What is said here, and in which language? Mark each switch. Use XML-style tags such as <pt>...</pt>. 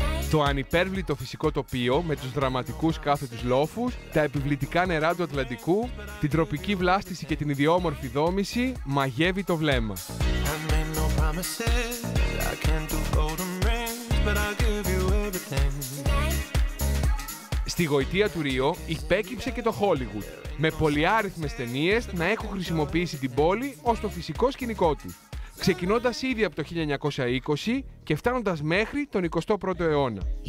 <el>Το ανυπέρβλητο φυσικό τοπίο με τους δραματικούς κάθετους λόφους, τα επιβλητικά νερά του Ατλαντικού, την τροπική βλάστηση και την ιδιόμορφη δόμηση, μαγεύει το βλέμμα.</el> <en>promises. I can't do golden rings, but I'll give you everything.</en> <el>Στη γοητεία του Ρίο υπέκυψε και το Hollywood, με πολυάριθμες ταινίες να έχουν χρησιμοποιήσει την πόλη ως το φυσικό σκηνικό του, ξεκινώντας ήδη από το 1920 και φτάνοντας μέχρι τον 21ο αιώνα.</el>